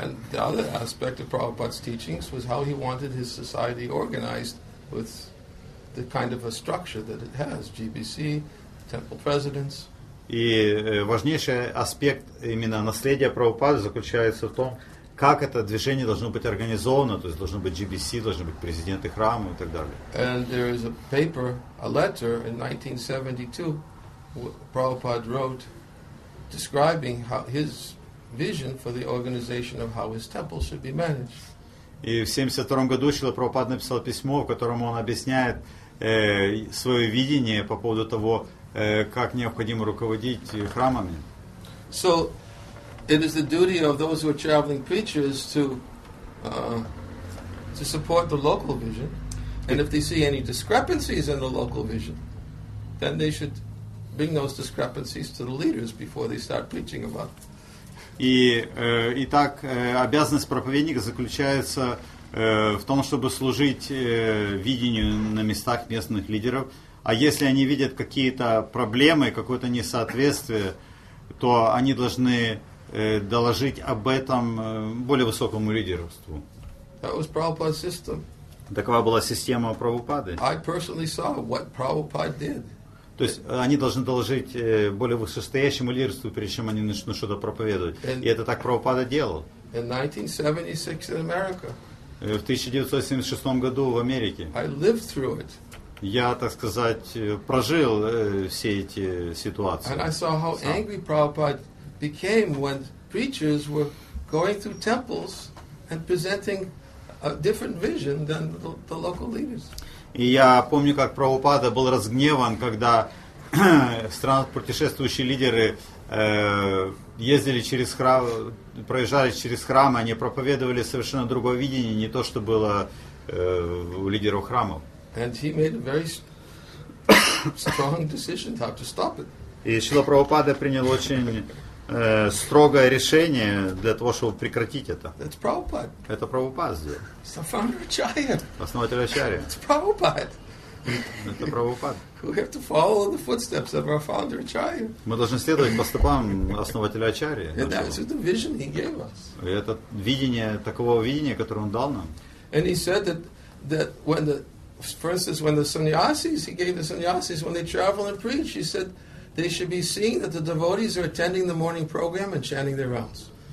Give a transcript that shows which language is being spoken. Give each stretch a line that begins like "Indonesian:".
English: And the other aspect of Prabhupada's teachings was how he wanted his society organized with the kind of a structure that it has, GBC, temple presidents.
Russian: И важнейший аспект именно наследия Прабхупады заключается в том, как это движение должно быть организовано, то есть должно быть GBC, должны быть президенты храма и так далее.
English: And there is a paper, a letter in 1972, Prabhupada wrote describing how his vision for the organization of how his temple should be managed.
Russian: И в 1972 году Шрила Прабхупада написал письмо, в котором он объясняет свое видение по поводу того, как необходимо руководить храмами.
English: So, it is the duty of those who are traveling preachers to support the local vision. And if they see any discrepancies in the local vision, then they should bring those discrepancies to the leaders before they start preaching about it.
Russian: И так, обязанность проповедника заключается в том, чтобы служить видению на местах местных лидеров. А если они видят какие-то проблемы, какое-то несоответствие, то они должны доложить об этом более высокому лидерству.
English: That was Prabhupada's system.
Russian: Такова была система Прабхупады.
English: I personally saw what Prabhupada did.
Russian: То есть они должны доложить более высокостоящему лидерству, прежде чем они начнут что-то проповедовать. And и это так Прабхупада делал.
English: In 1976 in America.
Russian: В 1976 году в Америке.
English: I lived through it.
Russian: Я, так сказать, прожил все эти ситуации.
English: And I saw how angry Prabhupada became when preachers were going through temples and presenting a different vision than the local leaders.
Russian: И я помню, как Прабхупада был разгневан, когда странопутешествующие лидеры ездили через храм, проезжали через храм, они проповедовали совершенно другое видение, не то, что было у лидеров храмов.
English: And he made a very strong decision to have to stop it.
Russian: И Шрила Прабхупада принял очень строгое решение для того, чтобы прекратить это.
English: That's Prabhupada.
Russian: Это Прабхупада сделал.
English: It's the founder of Acharya.
Russian: Основатель Ачарьи.
English: It's Prabhupada.
Russian: Это Прабхупада.
English: We have to follow the footsteps of our founder Acharya.
Russian: Мы должны следовать по стопам основателя Ачарьи.
English: And that's what the vision he gave us.
Russian: И это видение, такого видения, которое он дал нам.
English: And he said that when the, for instance, when the sannyasis, he gave the sannyasis, when they travel and preach, he said they should be seeing that the devotees are attending the morning program and chanting their rounds.